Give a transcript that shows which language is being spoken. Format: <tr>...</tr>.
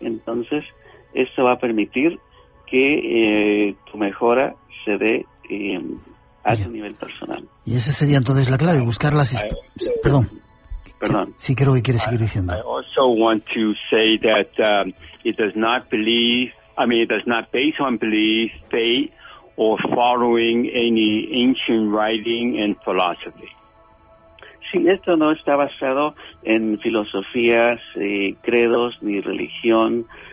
<es>Entonces esto va a permitir que tu mejora se dé a tu nivel personal. Y esa sería entonces la clave, buscar las... Perdón. Sí, creo que quiere seguir diciendo.</es> <en>I also want to say that it does not base on belief, faith, or following any ancient writing and philosophy.</en> <es>Sí, esto no está basado en filosofías, credos, ni religión.</es>